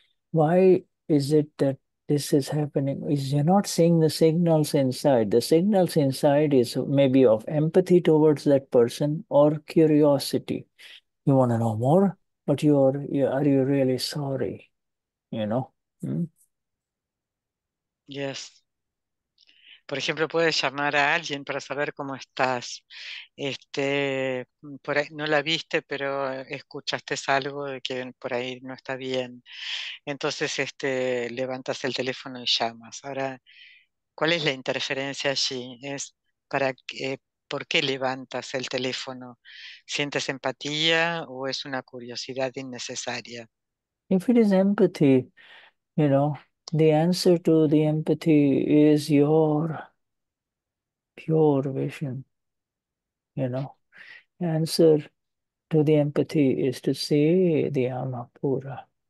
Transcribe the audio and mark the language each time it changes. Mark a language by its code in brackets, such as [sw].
[en] Why is it that this is happening? Is you're not seeing the signals inside. The signals inside is maybe of empathy towards that person or curiosity. You want to know more, but are you really sorry? You know? Yes. [es] Por ejemplo, puedes llamar a alguien para saber cómo estás. Por ahí, no la viste, pero escuchaste algo de que por ahí no está bien. Entonces levantas el teléfono y llamas. Ahora, ¿cuál es la interferencia allí? Es para que, ¿por qué levantas el teléfono? ¿Sientes empatía o es una curiosidad innecesaria? [en] If it is empathy, you know, the answer to the empathy is your pure vision, you know. The answer to the empathy is to see the Amapura.